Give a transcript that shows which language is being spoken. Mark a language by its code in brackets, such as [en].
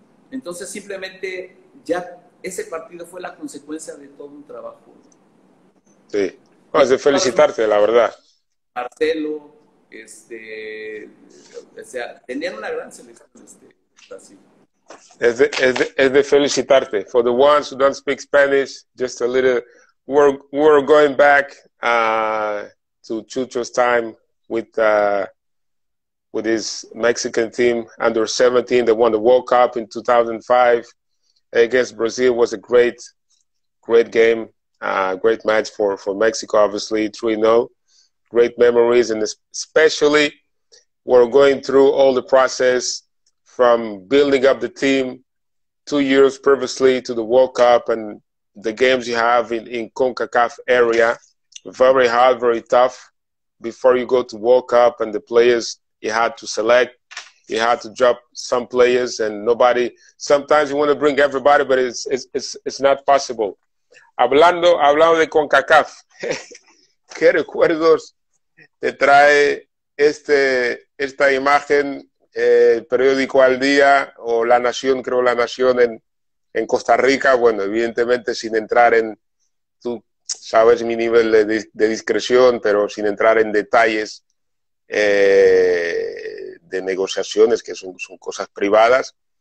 [es] Entonces simplemente ya ese partido fue la consecuencia de todo un trabajo. Sí, Y es de felicitarte, la verdad. Marcelo, o sea, tenían una gran selección Brasil. Es de felicitarte. [en] For the ones who don't speak Spanish, just a little. We're going back to Chucho's time with his Mexican team under 17. They won the World Cup in 2005 against Brazil. Was a great, great game. Great match for Mexico, obviously, 3-0. Great memories, and especially we're going through all the process from building up the team 2 years previously to the World Cup and the games you have in CONCACAF area. Very hard, very tough before you go to World Cup, and the players you had to select, you had to drop some players, and nobody. Sometimes you want to bring everybody, but it's not possible. [es] Hablando de CONCACAF, ¿qué recuerdos te trae esta imagen, el periódico Al Día o La Nación, creo La Nación en Costa Rica? Bueno, evidentemente sin entrar en, tú sabes mi nivel de discreción, pero sin entrar en detalles de negociaciones, que son cosas privadas.